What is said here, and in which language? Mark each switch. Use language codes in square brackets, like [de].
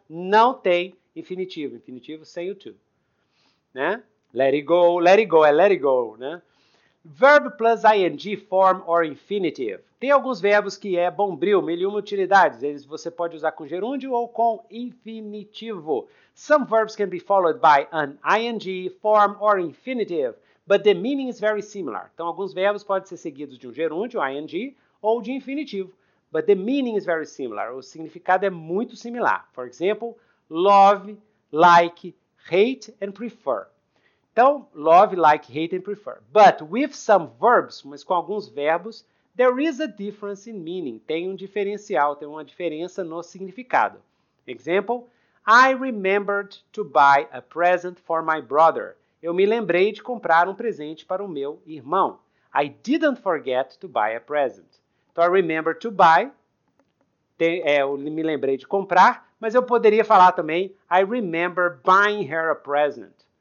[pt] Não tem infinitivo. Infinitivo sem o to. Né? [en] Let it go. Let it go. [pt] É [en] let it go, [pt] né? [en] Verb plus ing form or infinitive. [pt] Tem alguns verbos que é bombril, mil e uma utilidades. Eles você pode usar com gerúndio ou com infinitivo. [en] Some verbs can be followed by an ing form or infinitive, but the meaning is very similar. [pt] Então, alguns verbos podem ser seguidos de um gerúndio, ing, ou de infinitivo. [en] But the meaning is very similar. [pt] O significado é muito similar. [en] For example, love, like, hate, and prefer. Então, love, like, hate, and prefer. But with some verbs, [pt] mas com alguns verbos, [en] there is a difference in meaning. [pt] Tem um diferencial, tem uma diferença no significado. [en] Example, I remembered to buy a present for my brother. [pt] Eu me lembrei de comprar um presente para o meu irmão. [en] I didn't forget to buy a present. Então, I remember to buy, [pt] eu me lembrei de comprar, mas eu poderia falar também, [en] I remember buying her a present.